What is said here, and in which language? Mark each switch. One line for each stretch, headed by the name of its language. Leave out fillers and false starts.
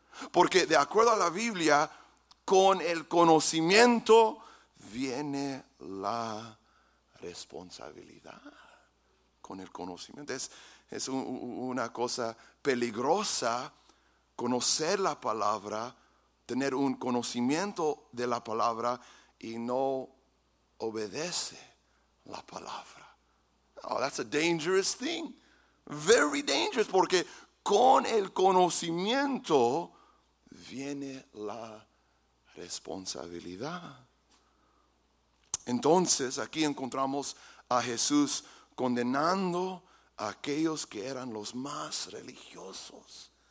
Spanish: Porque de acuerdo a la Biblia, con el conocimiento viene la responsabilidad. Con el conocimiento es una cosa peligrosa. Conocer la palabra, tener un conocimiento de la palabra y no obedece la palabra.
English: Oh, that's a dangerous thing. Very dangerous,
Spanish: porque con el conocimiento viene la responsabilidad. Entonces, aquí encontramos a Jesús condenando a aquellos que eran los más religiosos.